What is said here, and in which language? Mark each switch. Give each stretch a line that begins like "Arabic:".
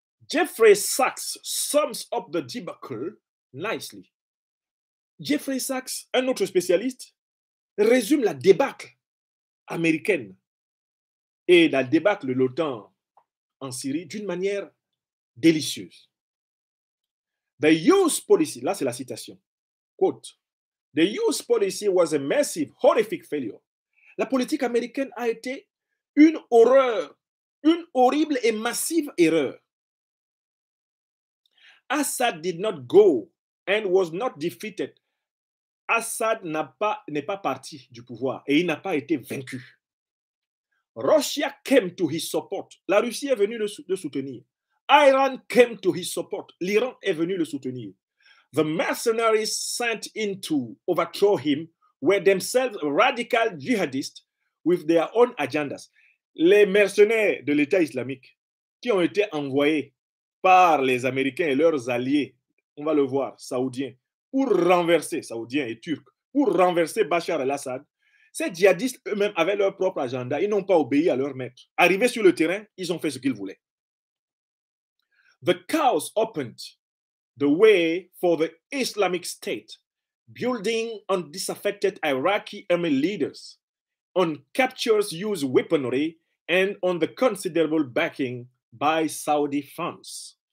English: Jeffrey Sachs sums up the debacle nicely.
French: Jeffrey Sachs, un autre spécialiste, résume la débâcle américaine et la débâcle de l'OTAN en Syrie d'une manière délicieuse.
English: The youth policy,
French: là c'est la citation,
English: quote, the youth policy was a massive, horrific failure.
French: La politique américaine a été une horreur, une horrible et massive erreur.
English: Assad did not go and was not defeated.
French: Assad n'est pas parti du pouvoir et il n'a pas été vaincu.
English: Russia came to his support.
French: La Russie est venue le soutenir.
English: Iran came to his support.
French: L'Iran est venu le soutenir.
English: The mercenaries sent in to overthrow him were themselves radical jihadists with their own agendas.
French: Les mercenaires de l'État islamique qui ont été envoyés par les Américains et leurs alliés, on va le voir, saoudiens et turcs, pour renverser Bachar el-Assad, ces djihadistes eux-mêmes avaient leur propre agenda. Ils n'ont pas obéi à leur maître. Arrivés sur le terrain, ils ont fait ce qu'ils voulaient.
English: The chaos opened the way for the Islamic State, building on disaffected Iraqi army leaders, on captures used weaponry, and on the considerable backing by Saudi funds.